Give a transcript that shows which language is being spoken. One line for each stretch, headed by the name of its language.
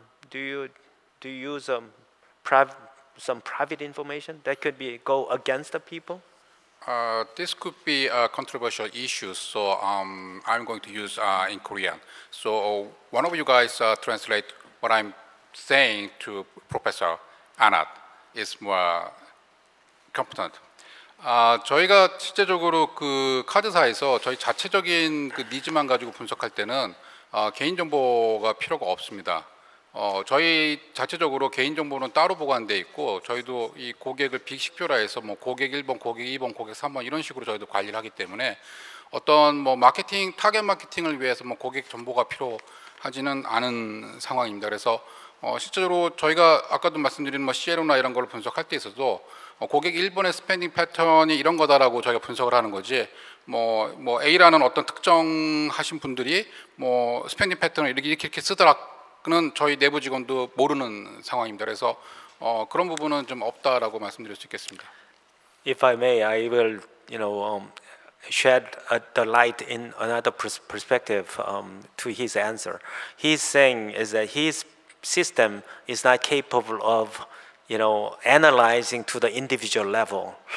English: Do you use some private information that could be go against the people? This could be a controversial issue, so I'm going to use in Korean. So one of you guys translate what I'm saying to Professor Anat is more competent.
Korean: 저희가 실제적으로 그 카드사에서 저희 자체적인 그 니즈만 가지고 분석할 때는 개인 정보가 필요가 없습니다. 저희 자체적으로 개인정보는 따로 보관돼 있고 저희도 이 고객을 빅식표라 해서 뭐 고객 1번, 고객 2번, 고객 3번 이런 식으로 저희도 관리를 하기 때문에 어떤 뭐 마케팅, 타겟 마케팅을 위해서 뭐 고객 정보가 필요하지는 않은 상황입니다. 그래서 실제로 저희가 아까도 말씀드린 뭐 CLO나 이런 걸 분석할 때 있어도 고객 1번의 스펜딩 패턴이 이런 거다라고 저희가 분석을 하는 거지 뭐 A라는 어떤 특정하신 분들이 뭐 스펜딩 패턴을 이렇게 쓰더라 그는 저희 내부 직원도 모르는 상황입니다. 그래서 그런 부분은 좀 없다라고 말씀드릴 수 있겠습니다.
English: If I may, I will, you know, shed the light in another perspective to his answer. He's saying is that his system is not capable of, you know, analyzing to the individual level.